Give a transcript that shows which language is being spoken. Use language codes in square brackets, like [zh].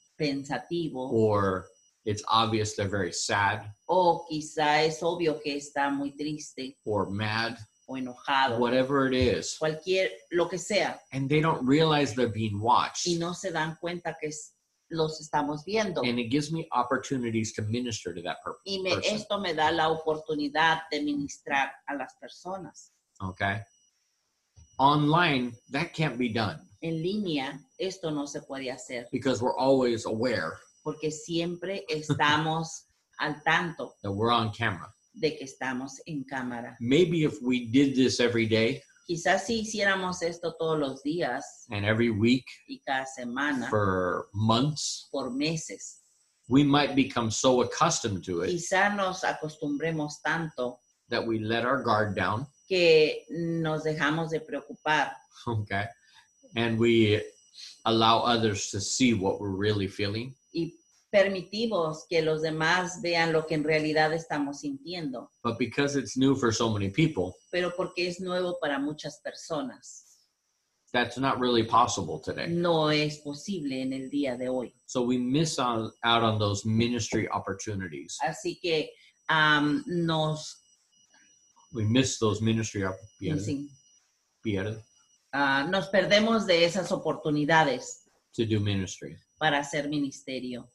[es] Pensativo. [en] Or it's obvious they're very sad. [es] O quizá es obvio que está muy triste. [en] Or mad. [es] O enojado. [en] Whatever it is. [es] Cualquier, lo que sea. [en] And they don't realize they're being watched. [es] Y no se dan cuenta que los estamos viendo. [en] And it gives me opportunities to minister to that person. [es] Y esto me da la oportunidad de ministrar a las personas. [en] Okay. Online, that can't be done. [es] En línea, esto no se puede hacer. [en] Because we're always aware. [es] Porque siempre estamos al tanto. [en] That we're on camera. [es] De que estamos en cámara. [en] Maybe if we did this every day. [es] Quizás si hiciéramos esto todos los días. [en] And every week. [es] Y cada semana. [en] For months. [es] Por meses. [en] We might become so accustomed to it. [es] Quizás nos acostumbremos tanto. [en] That we let our guard down. [es] Que nos dejamos de preocupar. [en] Okay. And we allow others to see what we're really feeling. [es] Y permitimos que los demás vean lo que en realidad estamos sintiendo. [en] But because it's new for so many people. [es] Pero porque es nuevo para muchas personas. [en] That's not really possible today. [es] No es posible en el día de hoy. [en] So we miss out on those ministry opportunities. [es] Así que nos... [en] We miss those ministry opportunities. [es] Nos perdemos de esas oportunidades. [en] To do ministry. [es] Para hacer ministerio.